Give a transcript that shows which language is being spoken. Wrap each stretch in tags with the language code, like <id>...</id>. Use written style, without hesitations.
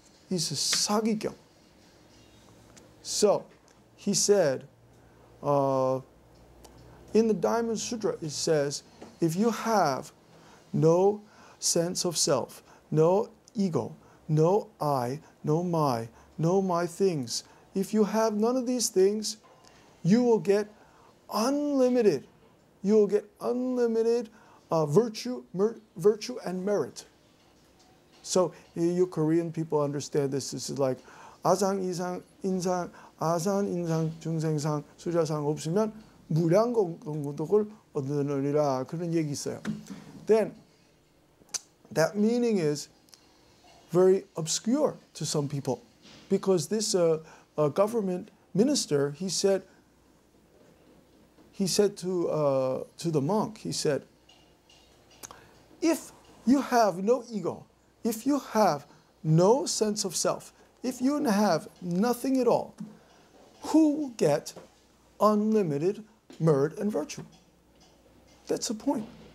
<en>He's a 사기경. So he said, in the Diamond Sutra, it says, if you have no sense of self, no ego, no I, no my things, if you have none of these things, you will get unlimited. You will get unlimited virtue and merit. So you Korean people understand this. This is like</en> <ko>아상 이상 인상 아상 인상 중생상 수자상 없으면 무량 공덕을 얻느니라 그런 얘기 있어요.</ko> <en>Then that meaning is very obscure to some people because this government minister he said to the monk, he said, if you have no ego, if you have no sense of self, if you have nothing at all, who will get unlimited merit and virtue? That's the point.</en>